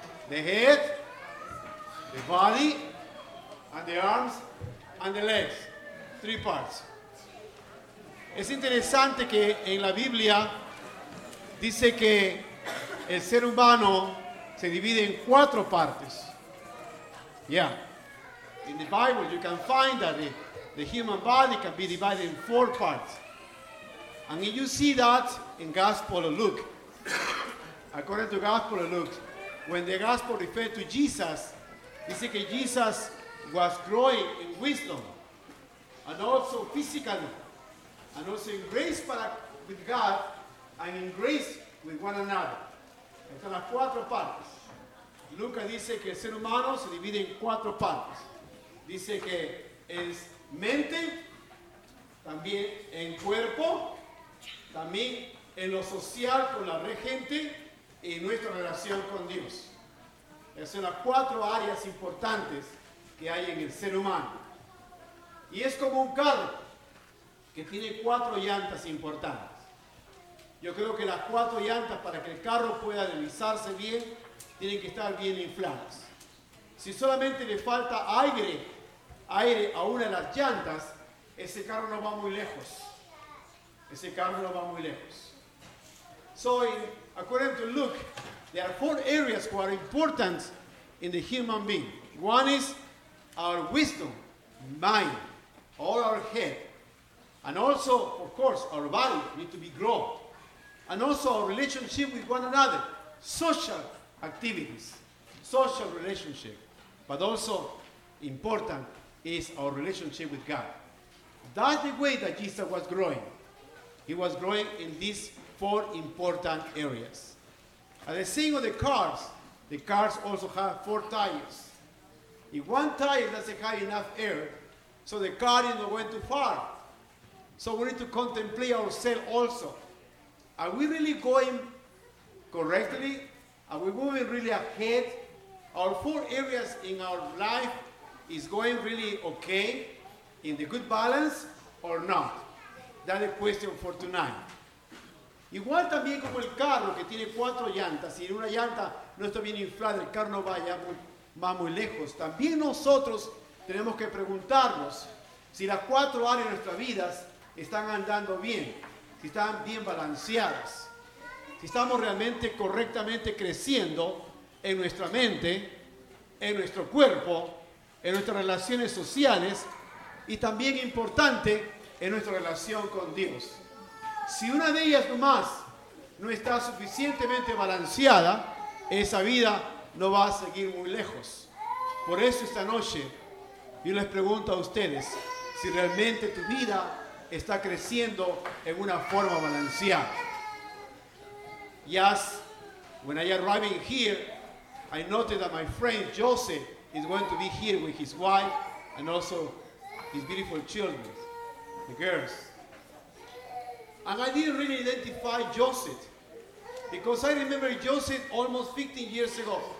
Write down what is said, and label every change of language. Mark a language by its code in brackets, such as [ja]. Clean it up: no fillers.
[en] The head, the body, and the arms, and the legs. Three parts. [es] Es interesante que en la Biblia dice que el ser humano se divide en cuatro partes. [en] Yeah, in the Bible you can find that the human body can be divided in four parts. And you see that in Gospel of Luke, According to Gospel of Luke, when the Gospel referred to Jesus, he said that Jesus was growing in wisdom, and also physically, and also in grace with God, and in grace with one another. [es] Están las cuatro partes. Lucas dice que el ser humano se divide en cuatro partes. Dice que es mente, también en cuerpo, también en lo social con la regente y nuestra relación con Dios. Esas son las cuatro áreas importantes que hay en el ser humano. Y es como un carro que tiene cuatro llantas importantes. Yo creo que las cuatro llantas, para que el carro pueda deslizarse bien, tienen que estar bien infladas. Si solamente le falta aire a una de las llantas, ese carro no va muy lejos. Ese carro no va muy lejos. [en] So, according to Luke, there are four areas who are important in the human being. One is our wisdom, mind, or our head. And also, of course, our body needs to be grown. And also our relationship with one another, social activities, social relationship. But also important is our relationship with God. That's the way that Jesus was growing. He was growing in these four important areas. At the same of the cars also have four tires. If one tire doesn't have enough air, so the car is not going too far. So we need to contemplate ourselves also. Are we really going correctly? Are we moving really ahead? Our four areas in our life is going really okay, in the good balance or not? That's the question for tonight. [es] Igual también como el carro que tiene cuatro llantas, si una llanta no está bien inflada, el carro no vaya muy lejos. También nosotros tenemos que preguntarnos si las cuatro áreas de nuestras vidas están andando bien, si están bien balanceadas, si estamos realmente correctamente creciendo en nuestra mente, en nuestro cuerpo, en nuestras relaciones sociales y también importante en nuestra relación con Dios. Si una de ellas nomás no está suficientemente balanceada, esa vida no va a seguir muy lejos. Por eso esta noche yo les pregunto a ustedes si realmente tu vida está creciendo en una forma balanceada. [en] Yes, when I arriving here, I noted that my friend Joseph is going to be here with his wife and also his beautiful children, the girls. And I didn't really identify Joseph, because I remember Joseph almost 15 years ago.